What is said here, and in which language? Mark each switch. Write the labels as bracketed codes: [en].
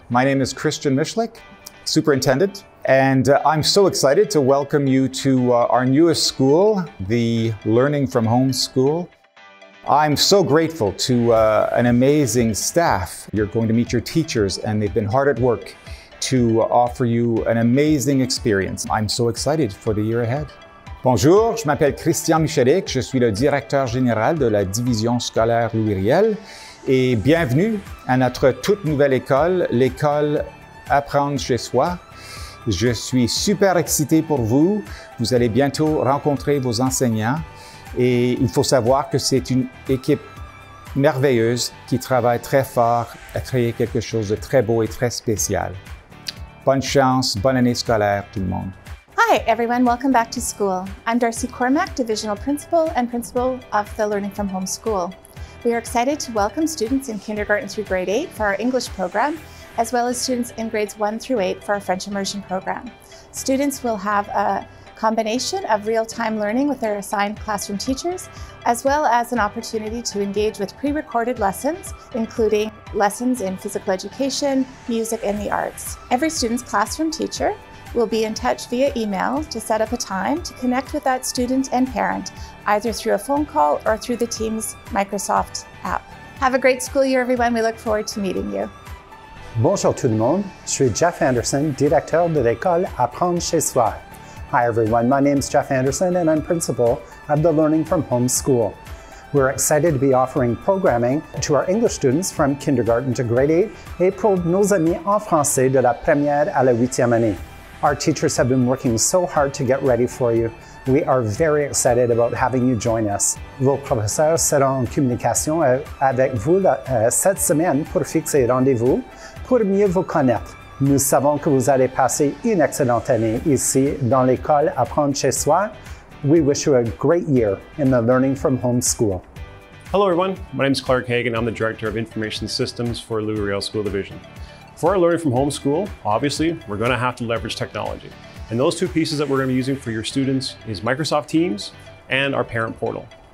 [en] My name is Christian Mischlich, superintendent, and I'm so excited to welcome you to our newest school, the Learning from Home School. I'm so grateful to an amazing staff. You're going to meet your teachers, and they've been hard at work to offer you an amazing experience. I'm so excited for the year ahead. [fr] Bonjour, je m'appelle Christian Mischlich, je suis le directeur général de la division scolaire Louis Riel. Et bienvenue à notre toute nouvelle école, l'école Apprendre-chez-soi. Je suis super excité pour vous. Vous allez bientôt rencontrer vos enseignants. Et il faut savoir que c'est une équipe merveilleuse qui travaille très fort à créer quelque chose de très beau et très spécial. Bonne chance, bonne année scolaire, tout le monde. [en] Hi everyone, welcome back to school. I'm Darcy Cormack, Divisional Principal and Principal of the Learning from Home School. We are excited to welcome students in kindergarten through grade 8 for our English program, as well as students in grades 1 through 8 for our French Immersion program. Students will have a combination of real-time learning with their assigned classroom teachers, as well as an opportunity to engage with pre-recorded lessons, including lessons in physical education, music, and the arts. Every student's classroom teacher will be in touch via email to set up a time to connect with that student and parent, either through a phone call or through the Teams Microsoft app. Have a great school year, everyone. We look forward to meeting you. [fr] Bonjour tout le monde. Je suis Jeff Anderson, directeur de l'école Apprendre chez soi. [en] Hi, everyone. My name is Jeff Anderson, and I'm principal of the Learning from Home School. We're excited to be offering programming to our English students from kindergarten to grade 8 [fr] et pour nos amis en français de la première à la huitième année. [en] Our teachers have been working so hard to get ready for you. We are very excited about having you join us. [fr] Vos professeurs seront en communication avec vous cette semaine pour fixer rendez-vous pour mieux vous connaître. Nous savons que vous allez passer une excellente année ici dans l'école Apprendre chez soi. [en] We wish you a great year in the Learning from Home School. Hello everyone, my name is Clark Hagen. I'm the Director of Information Systems for Louis Riel School Division. For our Learning from Home School, obviously, we're going to have to leverage technology. And those two pieces that we're going to be using for your students is Microsoft Teams and our parent portal.